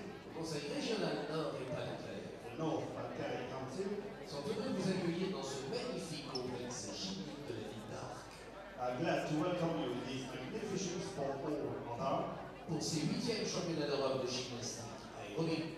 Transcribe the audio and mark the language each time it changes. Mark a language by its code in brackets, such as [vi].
[fr] le Conseil régional Nord du Pas-de-Calais, [en] the North Pas-de-Calais County, [fr] sont heureux de vous accueillir dans ce magnifique complexe gymnique de la ville d'Arc. [en] I'm glad to welcome you in this magnificent sport hall of Arc. [fr] Pour ces 8e championnats d'Europe de gymnastique aérobic.